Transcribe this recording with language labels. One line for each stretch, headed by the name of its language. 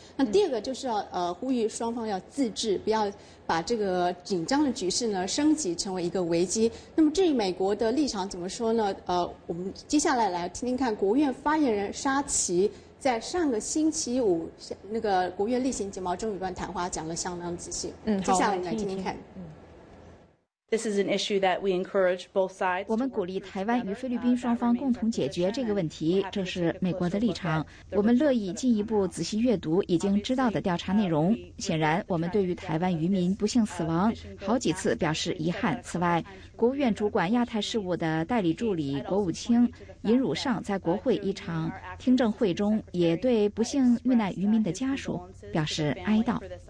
Chinese: 那第二个就是要呼吁双方要自治，不要把这个紧张的局势呢升级成为一个危机。那么至于美国的立场怎么说呢，我们接下来来听听看国务院发言人沙奇在上个星期五那个国务院例行睫毛中有段谈话，讲得相当仔细。接下来你来听听看。
English: This is an issue that we encourage both sides.
Chinese: 我们鼓励台湾与菲律宾双方共同解决这个问题，这是美国的立场。我们乐意进一步仔细阅读已经知道的调查内容。显然，我们对于台湾渔民不幸死亡好几次表示遗憾。此外，国务院主管亚太事务的代理助理国务卿尹汝上在国会一场听证会中也对不幸遇难渔民的家属表示哀悼。